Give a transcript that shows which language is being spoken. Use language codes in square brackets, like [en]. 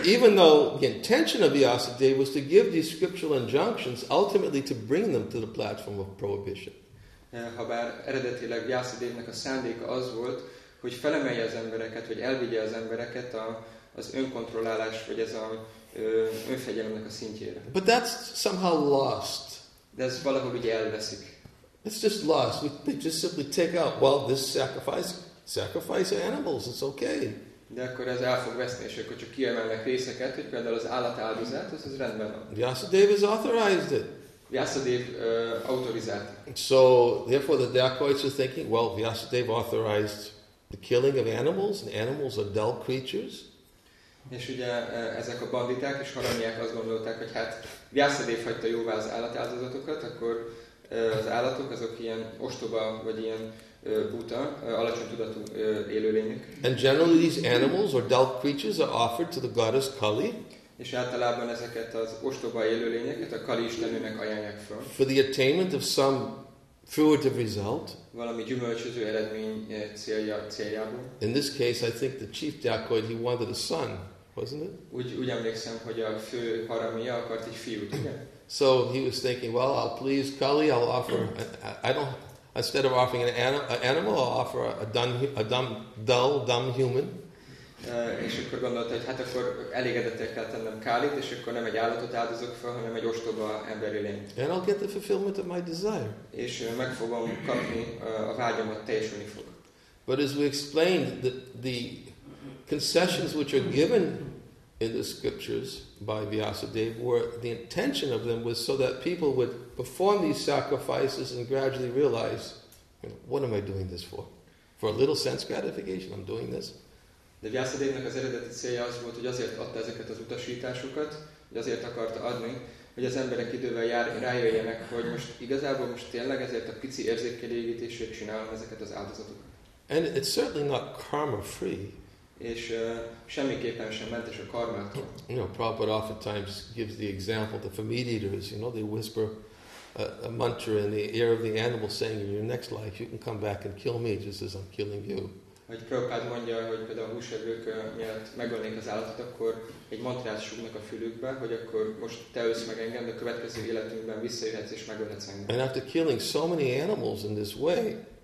[en] Even though the intention of Vyasadeva was to give these scriptural injunctions, ultimately to bring them to the platform of prohibition. [hu] Habár eredetileg Vyasadevnek a szándéka az volt, hogy felemelje az embereket, vagy elvigye az embereket az önkontrollálás, vagy ez a önfegyelemnek a szintjére. [en] But that's somehow lost. [hu] De ez valahogy ugye elveszik. [en] It's just lost. They just simply take out, well, this sacrifice animals, it's okay. [hu] De akkor ez el fog veszni, és akkor csak kiemelnek részeket, hogy például az állatáldozat, ez rendben van. [en] Vyasadeva has authorized it. [hu] Vyasadeva autorizált. [en] So, therefore the dacoits are thinking, well, Vyasadeva authorized the killing of animals, and animals are dull creatures. [hu] És ugye ezek a banditák és haramiák azt gondolták, hogy hát Vyasadeva hagyta jóvá az állatáldozatokat, akkor az állatok azok ilyen ostoba, vagy ilyen buta, alacsony tudatú élőlények. [en] And generally these animals or dull creatures are offered to the goddess Kali. [hu] És általában ezeket az ostoba élőlényeket a Kali istenőnek ajánlják fel. [en] For the attainment of some fruitive result. [hu] Valami gyümölcsöző eredmény céljából. [en] In this case, I think the chief dacoit, he wanted a son, wasn't it? [hu] Úgy emlékszem, hogy a fő haramia akart egy fiút, ugye? [en] So he was thinking, well, I'll please Kali, I'll offer, instead of offering an animal, I'll offer a dumb, dull human. [hu] És akkor gondolta, hogy hát akkor elégedettel kell tennem Kálit, és akkor nem egy állatot áldozok fel, hanem egy ostoba emberi lény. [en] And I'll get the fulfillment of my desire. [hu] És meg fogom kapni, a vágyamat teljesülni fog. [en] But as we explained, the concessions which are given in the scriptures by Vyasadeva were, the intention of them was so that people would perform these sacrifices and gradually realize, what am I doing this for? For a little sense gratification, I'm doing this. [hu] De Vyászadévnek az eredeti célja az volt, hogy azért adta ezeket az utasításokat, hogy azért akarta adni, hogy az emberek idővel rájöjjenek, hogy most igazából most tényleg ezért a pici érzékelégítésért csinálom ezeket az áldozatokat. [en] And it's certainly not karma free. [hu] És semmiképpen sem mentes a karmától. [en] You know, Prabhupada oftentimes gives the example that for meat eaters, you know, they whisper a mantra in the ear of the animal saying, in your next life you can come back and kill me just as I'm killing you. [hu] Hogy Prabhupád mondja, hogy például a húsevők miatt megölnék az állatot, akkor egy mantrát súgnak a fülükbe, hogy akkor most te ölsz meg engem, de a következő életünkben visszajöhetsz és megölhetsz engem. [en] And after killing so many animals in this way,